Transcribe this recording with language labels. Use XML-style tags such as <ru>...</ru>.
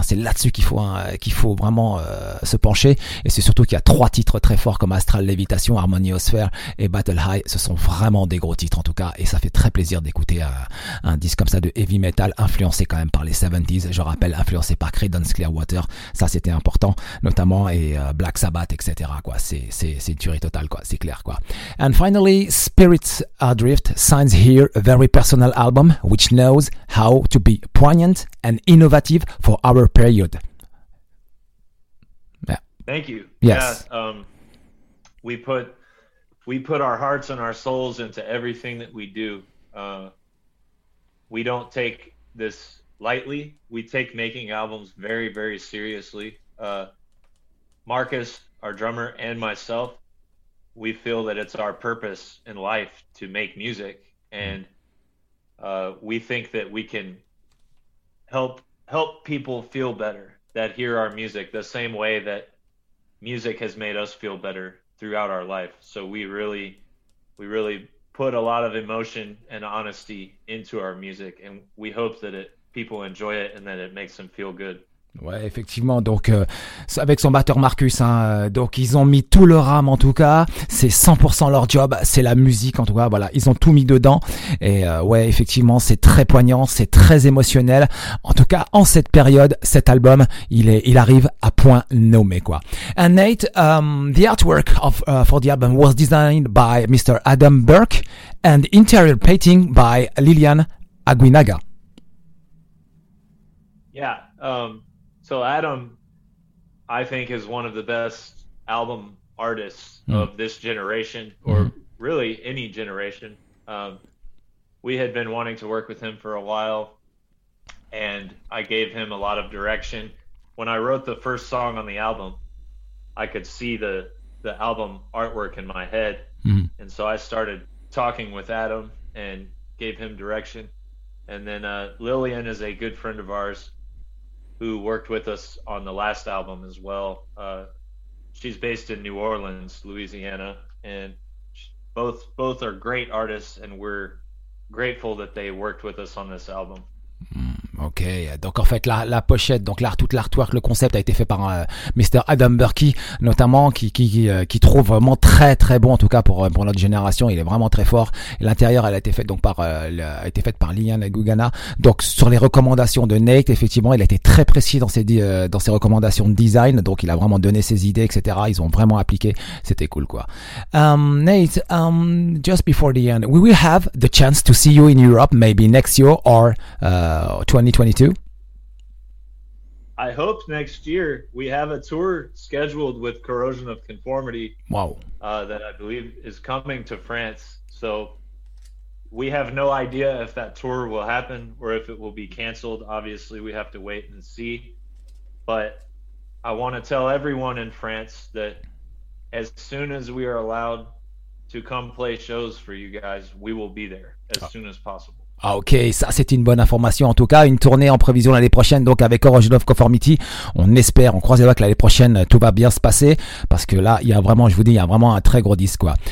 <fr>C'est là-dessus qu'il faut vraiment se pencher. Et c'est surtout qu'il y a trois titres très forts comme Astral, Lévitation, Harmoniosphère et Battle High. Ce sont vraiment des gros titres en tout cas, et ça fait très plaisir d'écouter un disque comme ça de heavy metal influencé quand même par les 70s, je rappelle, influencé par Creedence Clearwater, ça c'était important notamment, et Black Sabbath, etc. quoi. C'est une tuerie totale quoi, c'est clair quoi.</fr> <en>And finally, Spirits Adrift signs here a very personal album which knows how to be poignant and innovative for our period. Yeah. Thank you. Yes. We put our hearts and our souls into everything that we do. We don't take this lightly. We take making albums very, very seriously. Marcus, our drummer, and myself, we feel that it's our purpose in life to make music. And we think that we can help people feel better that hear our music the same way that music has made us feel better throughout our life. So we really put a lot of emotion and honesty into our music, and we hope that people enjoy it and that it makes them feel good.</en> <fr>Ouais, effectivement. Donc, avec son batteur Marcus, hein, donc ils ont mis tout leur âme en tout cas. C'est 100% leur job. C'est la musique en tout cas. Voilà, ils ont tout mis dedans. Et ouais, effectivement, c'est très poignant, c'est très émotionnel. En tout cas, en cette période, cet album, il arrive à point nommé quoi.</fr> <en>And Nate, the artwork of for the album was designed by Mr. Adam Burke and interior painting by Lilian Aguinaga. Yeah. So Adam, I think, is one of the best album artists of this generation, or really any generation. We had been wanting to work with him for a while, and I gave him a lot of direction. When I wrote the first song on the album, I could see the album artwork in my head. And so I started talking with Adam and gave him direction. And then Lilian is a good friend of ours, who worked with us on the last album as well. She's based in New Orleans, Louisiana, and both are great artists, and we're grateful that they worked with us on this album.</en> <fr>Ok, donc en fait la pochette, donc toute l'artwork, le concept a été fait par Mr. Adam Burke notamment, qui trouve vraiment très très bon, en tout cas pour notre génération, il est vraiment très fort. L'intérieur, elle a été faite donc par Lilian Aguinaga. Donc sur les recommandations de Nate, effectivement, il a été très précis dans ses recommandations de design. Donc il a vraiment donné ses idées, etc. Ils ont vraiment appliqué. C'était cool quoi.</fr> <en>Nate, just before the end, we will have the chance to see you in Europe maybe next year or 2022? I hope next year. We have a tour scheduled with Corrosion of Conformity. Wow. That I believe is coming to France. So we have no idea if that tour will happen or if it will be canceled. Obviously, we have to wait and see. But I want to tell everyone in France that as soon as we are allowed to come play shows for you guys, we will be there as soon as possible.</en> <fr>Ah ok, ça c'est une bonne information en tout cas. Une tournée en prévision l'année prochaine donc avec Corrosion of Conformity. On espère, on croise les doigts que l'année prochaine tout va bien se passer, parce que là il y a vraiment un très gros disque quoi.</fr>